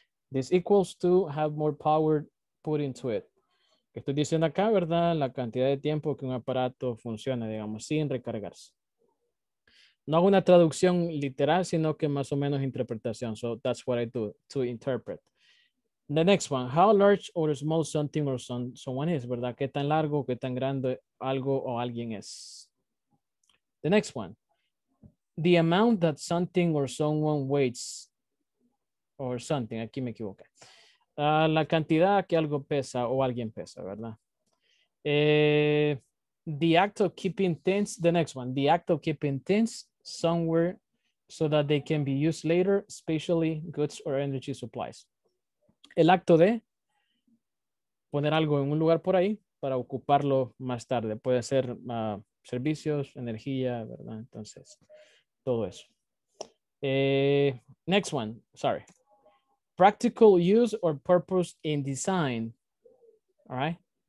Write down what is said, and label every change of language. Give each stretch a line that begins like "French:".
English: This equals to have more power put into it.
Spanish: Estoy diciendo acá, ¿verdad? La cantidad de tiempo que un aparato funciona, digamos, sin recargarse. No hago una traducción literal, sino que más o menos interpretación.
English: So that's what I do, to interpret. The next one, how large or small something or someone is,
Spanish: ¿verdad? ¿Qué tan largo o qué tan grande algo o alguien es?
English: The next one, the amount that something or someone weighs or something.
Spanish: Aquí me equivoqué. La cantidad que algo pesa o alguien pesa, ¿verdad?
English: The act of keeping things, the next one, the act of keeping things somewhere so that they can be used later, especially goods or energy supplies.
Spanish: El acto de poner algo en un lugar por ahí para ocuparlo más tarde. Puede ser servicios, energía, ¿verdad? Entonces, todo eso.
English: Next one, sorry. Practical use or purpose in design, all right?